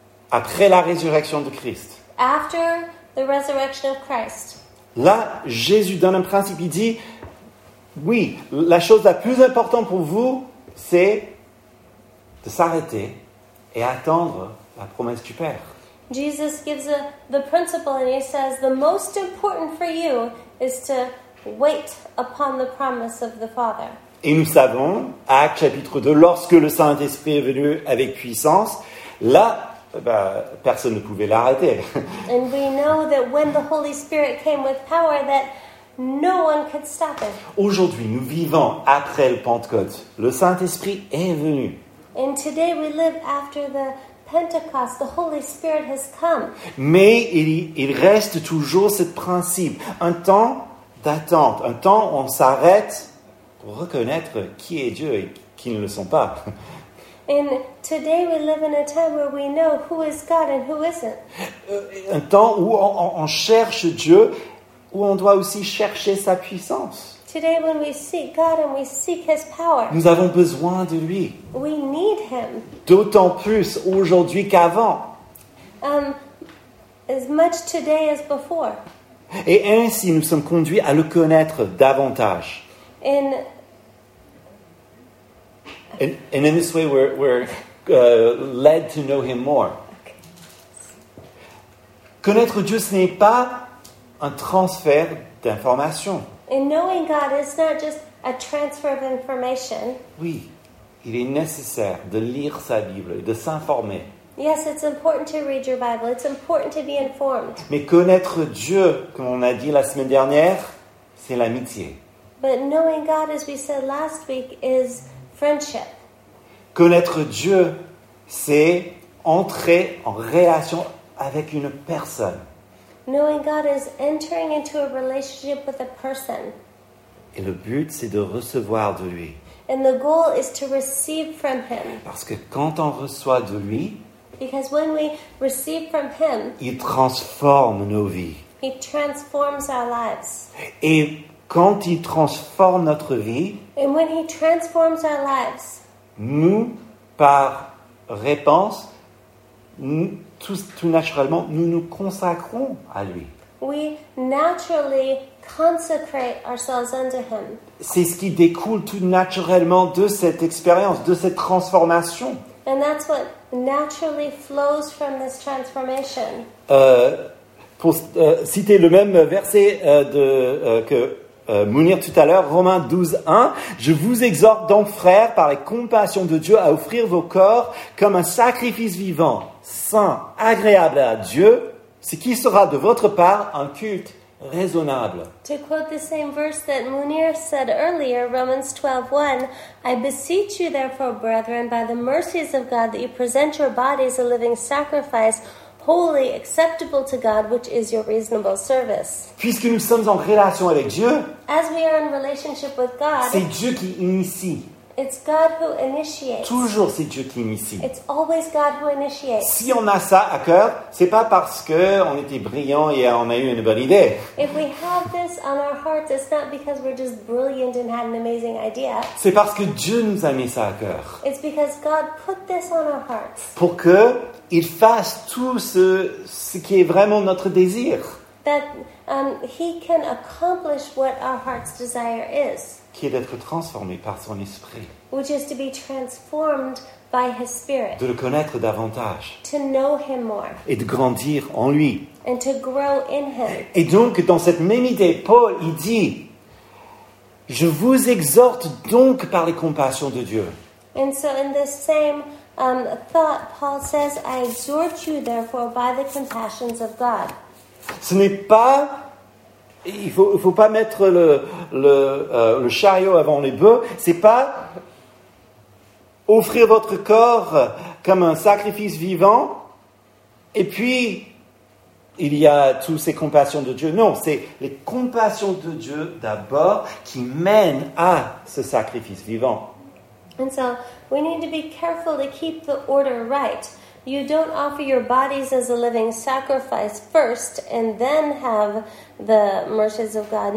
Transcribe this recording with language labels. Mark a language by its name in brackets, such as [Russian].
[French] Après la résurrection de Christ. [English] After the resurrection of Christ. [French] Là, Jésus donne un principe. Il dit, oui, la chose la plus importante pour vous, c'est de s'arrêter et attendre la promesse du Père. [English] Jesus gives the principle and he says, the most important for you is to wait upon the promise of the Father. [French] Et nous savons, Actes chapitre 2, lorsque le Saint-Esprit est venu avec puissance, là, personne ne pouvait l'arrêter. [English] And we know that when the Holy Spirit came with power, that no one could stop it. [French] Aujourd'hui, nous vivons après le Pentecôte. Le Saint-Esprit est venu. [English] And today we live after the Pentecost. The Holy Spirit has come. [French] Mais il reste toujours ce principe, un temps d'attente, un temps où on s'arrête pour reconnaître qui est Dieu et qui ne le sont pas. [English] And today we live in a time where we know who is God and who isn't. [French] Un temps où on cherche Dieu, où on doit aussi chercher sa puissance. [English] Today when we seek God and we seek His power. [French] Nous avons besoin de lui. [English] We need Him. [French] D'autant plus aujourd'hui qu'avant. [English] As much today as before. [French] Et ainsi nous sommes conduits à le connaître davantage. [English] And in this way, we're led to know Him more. Okay. [French] Connaître Dieu, ce n'est pas un transfert d'information. [English] And knowing God is not just a transfer of information. [French] Oui, il est nécessaire de lire sa Bible, de s'informer. [English] Yes, it's important to read your Bible. It's important to be informed. [French] Mais connaître Dieu, comme on a dit la semaine dernière, c'est l'amitié. [English] But knowing God, as we said last week, is friendship. [French] Connaître Dieu, c'est entrer en relation avec une personne. [English] Knowing God is entering into a relationship with a person. [French] Et le but, c'est de recevoir de lui. [English] And the goal is to receive from Him. [French] Parce que quand on reçoit de lui, [English] because when we receive from Him, [French] il transforme nos vies. [English] He transforms our lives. [French] Et quand il transforme notre vie, [English] and when he transforms our lives, [French] nous, par réponse, nous, tout naturellement, nous nous consacrons à lui. [English] We naturally consecrate ourselves unto him. [French] C'est ce qui découle tout naturellement de cette expérience, de cette transformation. [English] And that's what naturally flows from this transformation. [French] Pour citer le même verset de que Mounir tout à l'heure, Romains 12, 1. Je vous exhorte donc, frères, par la compassion de Dieu, à offrir vos corps comme un sacrifice vivant, saint, agréable à Dieu, ce qui sera de votre part un culte raisonnable. [English] To quote the same verse that Mounir said earlier, Romans 12, 1. I beseech you therefore, brethren, by the mercies of God, that you present your bodies a living sacrifice, holy, acceptable to God, which is your reasonable service. [French] Puisque nous sommes en relation avec Dieu, [English] as we are in relationship with God, [French] c'est Dieu qui initie. [English] It's God who initiates. [French] Toujours c'est Dieu qui initie. [English] It's always God who initiates. [French] Si on a ça à cœur, c'est pas parce qu'on était brillant et on a eu une bonne idée. [English] If we have this on our hearts, it's not because we're just brilliant and had an amazing idea. [French] C'est parce que Dieu nous a mis ça à cœur. [English] It's because God put this on our hearts. [French] Pour que il fasse tout ce qui est vraiment notre désir. [English] That he can accomplish what our heart's desire is. [French] Qui est d'être transformé par son esprit. [English] Which is to be transformed by his spirit. [French] De le connaître davantage. [English] To know him more. [French] Et de grandir en lui. [English] And to grow in him. [French] Et donc, dans cette même idée, Paul, il dit, je vous exhorte donc par les compassions de Dieu. [English] And so in this same thought, Paul says, I exhort you therefore by the compassions of God. [French] Ce n'est pas... Il faut pas mettre le chariot avant les bœufs. C'est pas offrir votre corps comme un sacrifice vivant. Et puis, il y a toutes ces compassions de Dieu. Non, c'est les compassions de Dieu d'abord qui mènent à ce sacrifice vivant. [English] And so, we need to be careful to keep the order right. You don't offer your bodies as a living sacrifice first and then have the mercies of God.